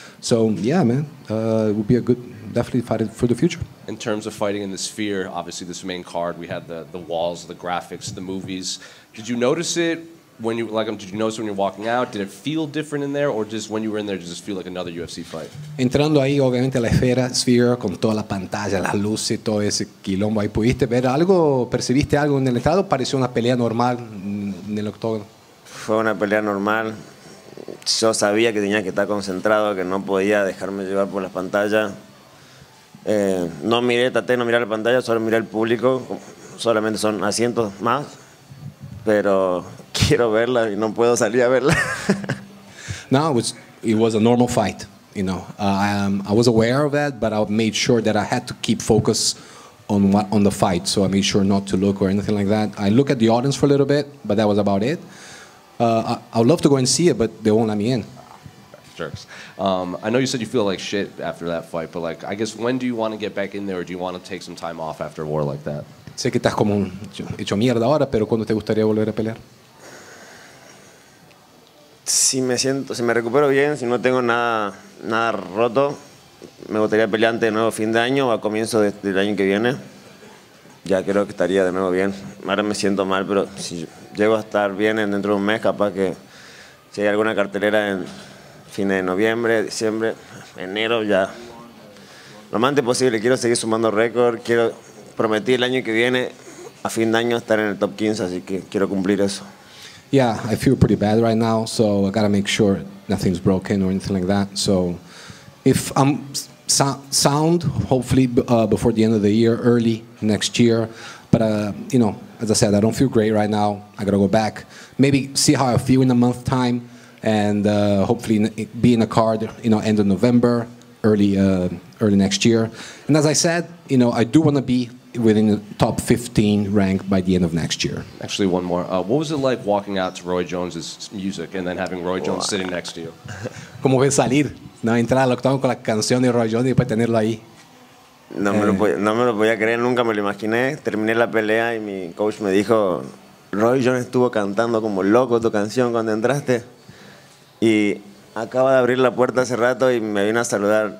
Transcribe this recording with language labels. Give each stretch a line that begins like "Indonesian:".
English: So, yeah, man, it would be a good, definitely fight for the future. In terms of fighting in the sphere, obviously this main card, we had the walls, the graphics, the movies. Did you notice it when you, like, did you notice when you're walking out? Did it feel different in there, or just when you were in there, did it feel like another UFC fight?
Spanish: Entrando ahí, obviamente, la esfera, sphere, con toda la pantalla, las luces, todo ese quilombo ahí, ¿pudiste ver algo, percibiste algo en el estado? ¿Pareció una pelea normal, en el octógono? Fue una pelea normal. Yo sabía que tenía que estar concentrado, que no podía dejarme llevar por las pantallas. No miré, traté de no mirar la pantalla, solo miré al público. Solamente son asientos más, pero quiero verla y no puedo salir a verla.
English: No, it was a normal fight, you know. I was aware of that, but I made sure that I had to keep focus on the fight, so I made sure not to look or anything like that. I looked at the audience for a little bit, but that was about it. I would love to go and see it, but they won't let me in. Jerks. I know you said you feel like shit after that fight, but like, I guess when do you want to get back in there, or do you want to take some time off after a war like that?
Spanish: Sé que estás como hecho mierda ahora, pero ¿cuándo te gustaría volver a pelear? Si me recupero bien, si no tengo nada roto, me gustaría pelear antes de nuevo fin de año o a comienzo del año que viene. Ya creo que estaría de nuevo bien. Ahora me siento mal, pero si llego a estar bien dentro de un mes, capaz que si hay alguna cartelera en fines de noviembre, diciembre, enero, ya. Lo más antes posible, quiero seguir sumando récord, quiero... Prometí el año que viene, a fin de año, estar en el top 15, así que quiero cumplir eso.
English: Yeah, I feel pretty bad right now, so I gotta make sure nothing's broken or anything like that. So if I'm sound, hopefully before the end of the year, early next year. But, you know, as I said, I don't feel great right now. I gotta go back, maybe see how I feel in a month time, and hopefully be in a card, you know, end of November. Early next year. And as I said, you know, I do want to be within the top 15 rank by the end of next year. Actually, one more. What was it like walking out to Roy Jones's music and then having Roy Jones sitting next to you?
Spanish: ¿Cómo fue salir? ¿No? Entrar al octavo con la canción de Roy Jones y después tenerlo ahí. No me lo podía creer, nunca me lo imaginé. Terminé la pelea y mi coach me dijo, Roy Jones estuvo cantando como loco tu canción cuando entraste. Y... Acaba de abrir la puerta hace rato y me vino a saludar.